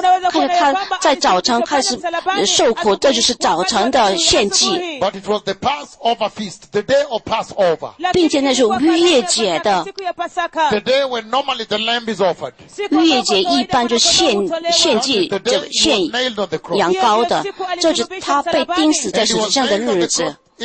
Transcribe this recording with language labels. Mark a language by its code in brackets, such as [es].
[zh] 看着他在早晨开始受苦，这就是早晨的献祭。 [en] But it was the Passover feast, the day of Passover. [zh] 并且那是逾越节的。 [en] The day when normally the lamb is offered. [zh] 逾越节一般就献祭。献羊羔的，这就是他被钉死在十字架的日子。